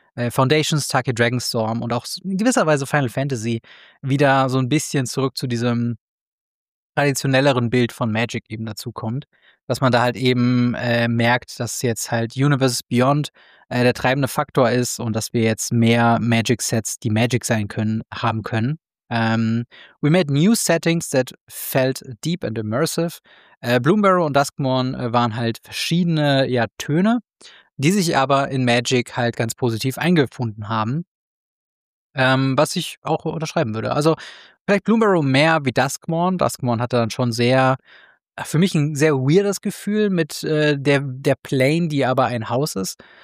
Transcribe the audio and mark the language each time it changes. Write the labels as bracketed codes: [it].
[de] Foundations, Tucky Dragonstorm und auch in gewisser Weise Final Fantasy wieder so ein bisschen zurück zu diesem traditionelleren Bild von Magic eben dazukommt. Dass man da halt eben merkt, dass jetzt halt Universes Beyond der treibende Faktor ist und dass wir jetzt mehr Magic-Sets, die Magic sein können, haben können. [en] We made new settings that felt deep and immersive. [de] Bloomborough und Duskmourne waren halt verschiedene ja, Töne, die sich aber in Magic halt ganz positiv eingefunden haben. Was ich auch unterschreiben würde. Also vielleicht Bloomborough mehr wie Duskmourne. Duskmourne hatte dann schon sehr, für mich ein sehr weirdes Gefühl mit der Plane, die aber ein Haus ist.